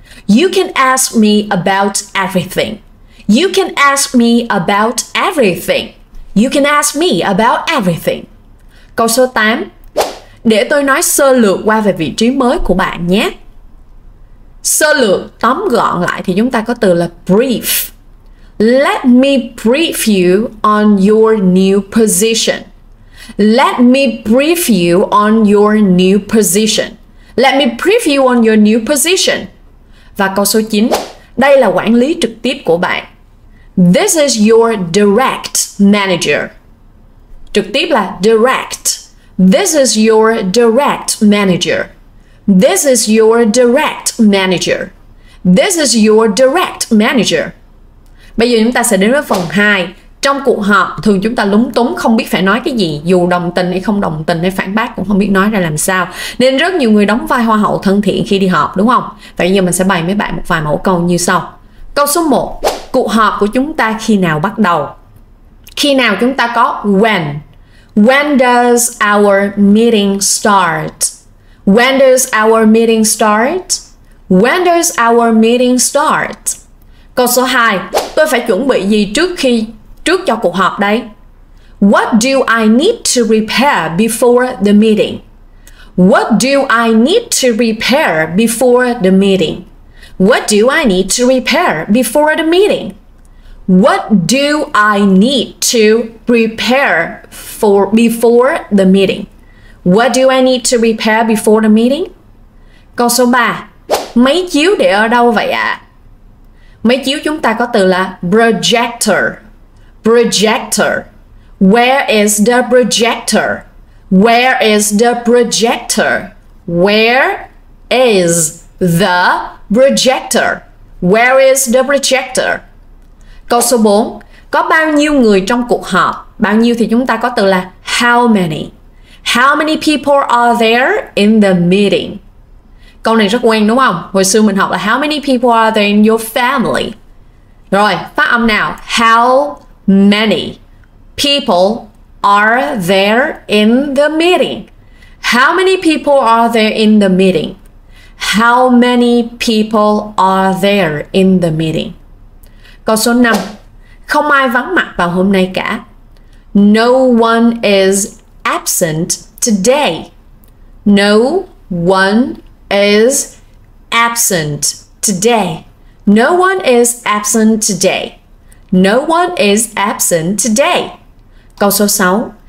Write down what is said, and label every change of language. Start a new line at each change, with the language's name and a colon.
English: You can ask me about everything. You can ask me about everything. You can ask me about everything.
Vietnamese: Câu số 8, để tôi nói sơ lược qua về vị trí mới của bạn nhé. Sơ lược, tóm gọn lại thì chúng ta có từ là brief.
English: Let me brief you on your new position. Let me brief you on your new position. Let me brief you on your new position.
Vietnamese: Và câu số 9, đây là quản lý trực tiếp của bạn.
English: This is your direct manager.
Vietnamese: Trực tiếp là
English: direct. This is your direct manager. This is your direct manager. This is your direct manager.
Vietnamese: Bây giờ chúng ta sẽ đến với phần 2. Trong cuộc họp thường chúng ta lúng túng không biết phải nói cái gì, dù đồng tình hay không đồng tình hay phản bác cũng không biết nói ra làm sao. Nên rất nhiều người đóng vai hoa hậu thân thiện khi đi họp, đúng không? Vậy giờ mình sẽ bày mấy bạn một vài mẫu câu như sau. Câu số 1, cuộc họp của chúng ta khi nào bắt đầu? Khi nào chúng ta có
English: when? When does our meeting start? When does our meeting start? When does our meeting start?
Vietnamese: Câu số 2, tôi phải chuẩn bị gì trước cho cuộc họp đây?
English: What do I need to prepare before the meeting? What do I need to prepare before the meeting? What do I need to prepare before the meeting? What do I need to prepare for before the meeting? What do I need to prepare before the meeting?
Vietnamese: Câu số 3. Máy chiếu để ở đâu vậy ạ? Máy chiếu chúng ta có từ là projector.
English: Projector. Where is the projector? Where is the projector? Where is the projector? Where is the projector?
Vietnamese: Câu số 4. Có bao nhiêu người trong cuộc họp? Bao nhiêu thì chúng ta có từ là how many?
English: How many people are there in the meeting?
Vietnamese: Câu này rất quen đúng không? Hồi xưa mình học là
English: how many people are there in your family?
Vietnamese: Rồi, phát âm nào.
English: How many people are there in the meeting? How many people are there in the meeting? How many people are there in the meeting?
Vietnamese: Câu số 5. Không ai vắng mặt vào hôm nay cả.
English: No one is absent today. No one is absent today. No one is absent today. No one is absent today.
Vietnamese: Câu số 6.